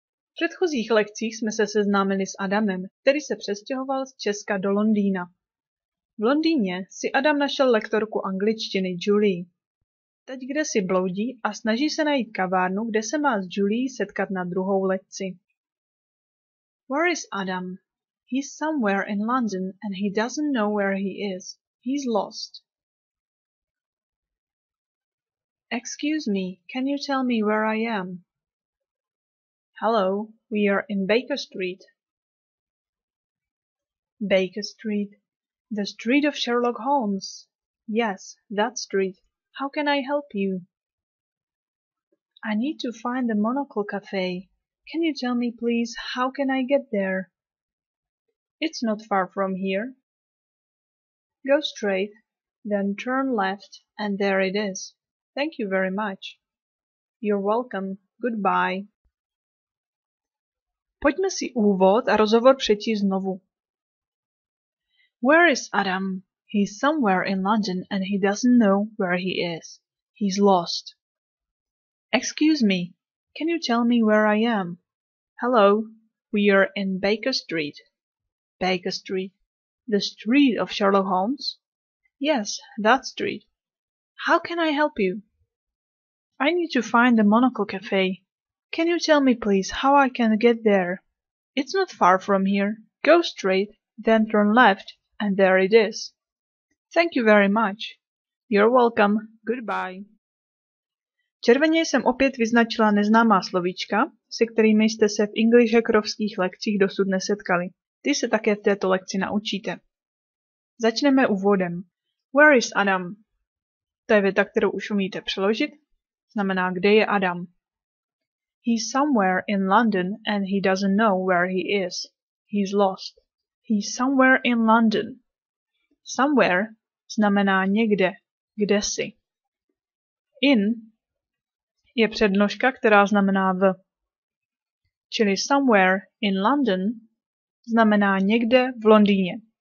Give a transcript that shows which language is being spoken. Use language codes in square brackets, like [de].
[cs] V předchozích lekcích jsme se seznámili s Adamem, který se přestěhoval z Česka do Londýna. V Londýně si Adam našel lektorku angličtiny Julie. Teď kde si bloudí a snaží se najít kavárnu, kde se má s Julie setkat na druhou lekci. [en] Where is Adam? He's somewhere in London and he doesn't know where he is. He's lost. Excuse me, can you tell me where I am? Hello, we are in Baker Street. Baker Street? The street of Sherlock Holmes? Yes, that street. How can I help you? I need to find the Monocle Cafe. Can you tell me, please, how can I get there? It's not far from here. Go straight, then turn left, and there it is. Thank you very much. You're welcome. Goodbye. [cs] Pojďme si úvod a rozhovor přečíst znovu. [en] Where is Adam? He's somewhere in London and he doesn't know where he is. He's lost. Excuse me, can you tell me where I am? Hello, we are in Baker Street. Baker Street? The street of Sherlock Holmes? Yes, that street. How can I help you? I need to find the Monocle Cafe. Can you tell me please how I can get there? It's not far from here. Go straight, then turn left, and there it is. Thank you very much. You're welcome. Goodbye. [cs] Červeně jsem opět vyznačila neznámá slovíčka, se kterými jste se v English Hackerovských lekcích dosud nesetkali. Ty se také v této lekci naučíte. Začneme úvodem. [en] Where is Adam? [cs] To je věta, kterou už umíte přeložit. Znamená, kde je Adam? [en] He's somewhere in London and he doesn't know where he is. He's lost. He's somewhere in London. [cs] Somewhere znamená někde, kdesi. In je přednožka, která znamená v. Čili [en] somewhere in London [cs] znamená někde v Londýně.